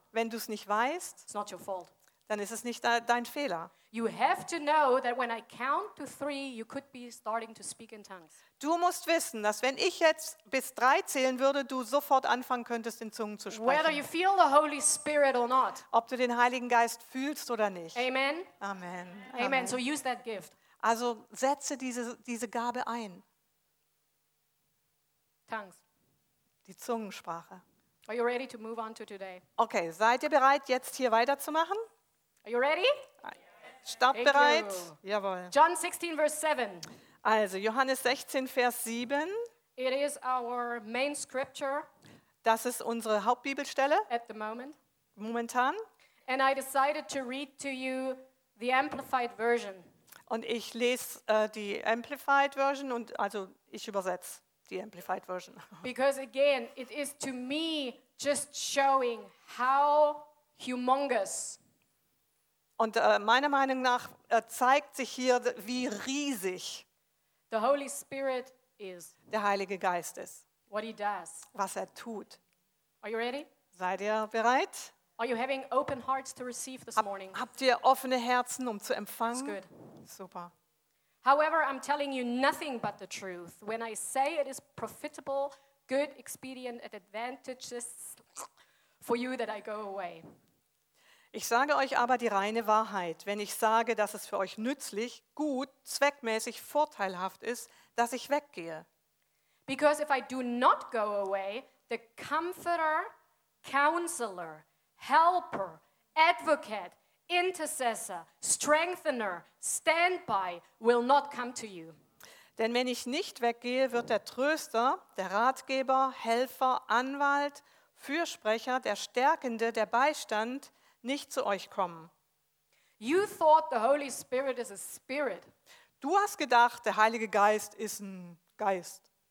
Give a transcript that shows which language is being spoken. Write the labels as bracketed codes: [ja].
[de] Wenn du es nicht weißt, [en] it's not your fault. [de] Dann ist es nicht dein Fehler. [en] You have to know that when I count to three, you could be starting to speak in tongues. [de] Du musst wissen, dass wenn ich jetzt bis drei zählen würde, du sofort anfangen könntest, in Zungen zu sprechen. [en] Whether you feel the Holy Spirit or not. [de] Ob du den Heiligen Geist fühlst oder nicht. [en] Amen. Amen. Amen. Amen. So use that gift. [de] Also setze diese Gabe ein. [en] Tongues. [de] Die Zungensprache. [en] Are you ready to move on to today? [de] Okay, seid ihr bereit, jetzt hier weiterzumachen? [en] Are you ready? [de] Startbereit? Jawohl. [en] John 16, verse 7. [de] Also, Johannes 16, Vers 7. [en] It is our main scripture. [de] Das ist unsere Hauptbibelstelle. [en] At the moment. [de] Momentan. [en] And I decided to read to you the Amplified Version. [de] Und ich lese die Amplified Version und also ich übersetze. [en] The Amplified Version. Because again, it is to me just showing how humongous. [de] Und meiner Meinung nach zeigt sich hier, wie riesig [en] the Holy Spirit is. [de] Der Heilige Geist ist. [en] What he does. [de] Was er tut. [en] Are you ready? [de] Seid ihr bereit? [en] Are you having open hearts to receive this morning? [de] Habt ihr offene Herzen, um zu empfangen? [en] That's good. [de] Super. [en] However, I'm telling you nothing but the truth. When I say it is profitable, good, expedient, and advantageous for you that I go away. [de] Ich sage euch aber die reine Wahrheit, wenn ich sage, dass es für euch nützlich, gut, zweckmäßig, vorteilhaft ist, dass ich weggehe. [en] Because if I do not go away, the Comforter, Counselor, Helper, Advocate, Intercessor, Strengthener, Standby will not come to you. [de] Denn wenn ich nicht weggehe, wird der Tröster, der Ratgeber, Helfer, Anwalt, Fürsprecher, der Stärkende, der Beistand nicht zu euch kommen. [en] You thought the Holy Spirit is a spirit. [de] Du hast gedacht, der Heilige Geist ist ein Geist.